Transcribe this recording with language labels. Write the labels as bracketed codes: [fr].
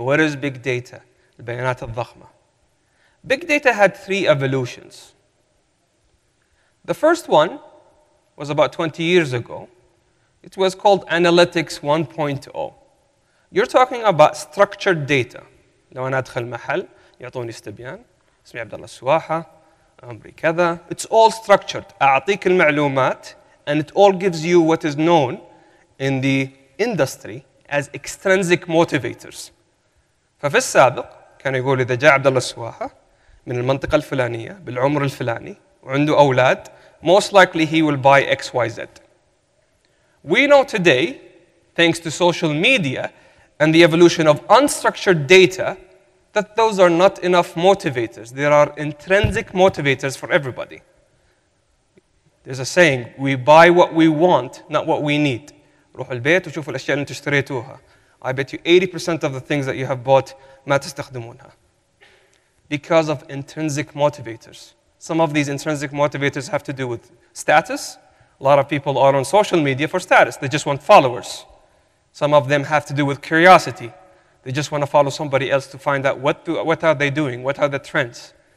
[en] What is big data? [ar] البيانات الضخمة. [en] Big data had three evolutions. The first one was about 20 years ago. It was called analytics 1.0. You're talking about structured data. [ar] لو أنا أدخل محل يعطوني استبيان اسمي عبدالله السواحه عمري كذا. [en] It's all structured. [ar] أعطيك المعلومات [en] and it all gives you what is known in the industry as extrinsic motivators. [ar] ففي السابق كان يقول إذا جاء عبدالله السواحه من المنطقة الفلانية بالعمر الفلاني وعنده أولاد [en] most likely he will buy XYZ. We know today, thanks to social media and the evolution of unstructured data, that those are not enough motivators. There are intrinsic motivators for everybody. There's a saying, we buy what we want, not what we need. [ar] روح البيت وشوف الأشياء اللي تشتريتوها. [en] I bet you 80% of the things that you have bought [ar] ما تستخدمونها. [en] Because of intrinsic motivators. Some of these intrinsic motivators have to do with status. A lot of people are on social media for status. They just want followers. Some of them have to do with curiosity. They just want to follow somebody else to find out what are they doing, what are the trends.